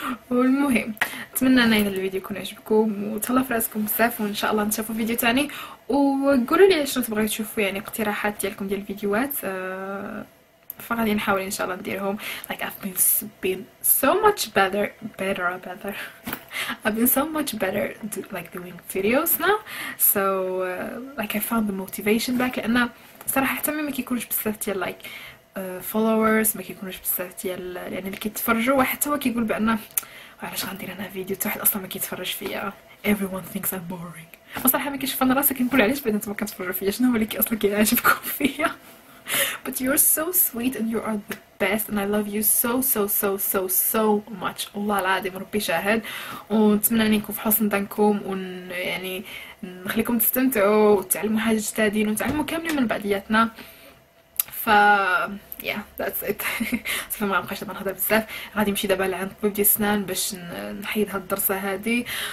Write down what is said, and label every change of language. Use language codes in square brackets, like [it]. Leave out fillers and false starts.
[ar] والمهم اتمنى ان الفيديو يكون يعجبكم, وتهلاو في راسكم بزاف, وان شاء الله نشوفوا فيديو تاني. وقولوا لي شنو تبغيو تشوفوا يعني اقتراحات ديالكم ديال الفيديوهات, فغادي نحاول ان شاء الله نديرهم. [en] like I've been so much better I've been so much better like doing videos now, so like I found the motivation back. [ar] لان صراحة حتى ما كيكونوش بزاف ديال [en] like followers, [ar] ما كيكونوش بزاف ديال يعني اللي كيتفرجوا, وحتى هو كيقول بان علاش غندير انا فيديو حتى واحد اصلا ما كيتفرج فيا. [en] everyone thinks I'm boring, [ar] وصراحة ما كيشوف انا راسي كنقول علاش بعدا انتم كتفرجوا فيا, شنو هو اللي اصلا كيعجبكم فيا. [en] But you're so sweet and you are the best and I love you so so so so so much. [ar] والله العظيم ربي شاهد, ونتمنى اني نكون في حسن ظنكم, ويعني نخليكم تستمتعوا وتعلموا حاجة جديدة وتعلموا كاملين من بعضياتنا. [en] ف yeah that's it. [ar] صافي ما غنبقاش دابا نهضر بزاف, غادي نمشي دابا لعند طبيب ديال السنان باش نحيد هاد الضرسة هادي.